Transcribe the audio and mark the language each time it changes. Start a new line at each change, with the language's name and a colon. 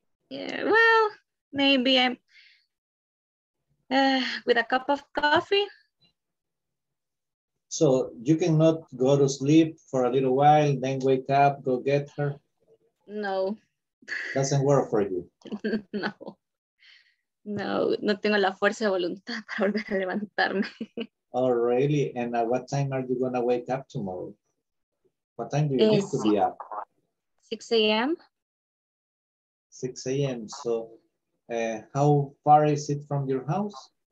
English: Yeah, well, maybe I'm with a cup of coffee. So you cannot go to sleep for a little while, then wake up, go get her? No. Doesn't work for you. No.
Spanish: No, no tengo la fuerza de voluntad para volver a levantarme.
English: Oh, really? And at what time are you going to wake up tomorrow? What time do you need to be up? 6 a.m. 6 a.m. So how far is it from your house?